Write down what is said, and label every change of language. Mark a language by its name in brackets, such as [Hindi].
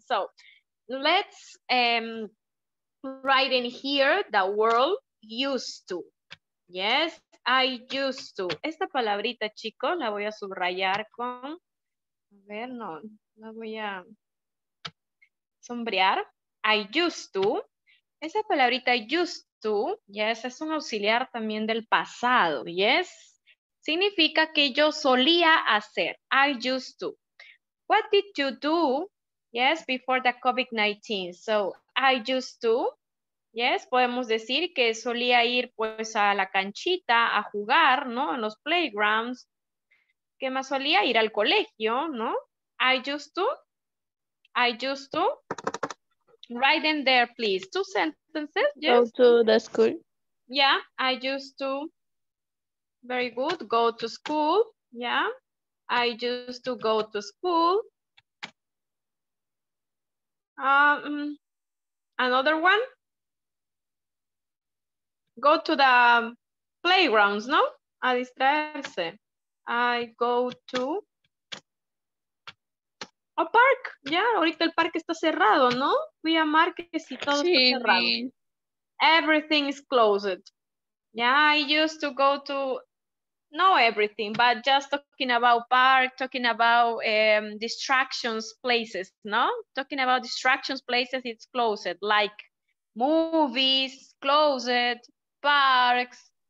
[English] So, let's write in here the word used to. Yes. I used to. [Spanish] Esta palabrita, chicos, la voy a subrayar con... A ver, no, la voy a sombrear. [English] I used to. [Spanish] Esa palabrita used to, yes, es un auxiliar también del pasado, yes. Significa que yo solía hacer. [English] I used to. What did you do, yes, before the COVID-19? So, I used to. [Spanish] Yes, podemos decir que solía ir pues a la canchita a jugar, ¿no? En los playgrounds. ¿Qué más solía? Ir al colegio, ¿no? [English] I used to. Right in there, please. Two sentences. Yes. Go to the school. Yeah, I used to. Very good. Go to school. Yeah. I used to go to school. Another one. Go to the playgrounds, ¿no? [Spanish] A distraerse. [English] I go to a park. [Spanish] Ya, yeah, ahorita el parque está cerrado, ¿no? Fui a Marques y todo sí, está cerrado. [English] Sí. Everything is closed. Yeah, I used to go to, no everything, but just talking about park, talking about distractions places, ¿no? Talking about distractions places, it's closed. Like movies, closed. Parks,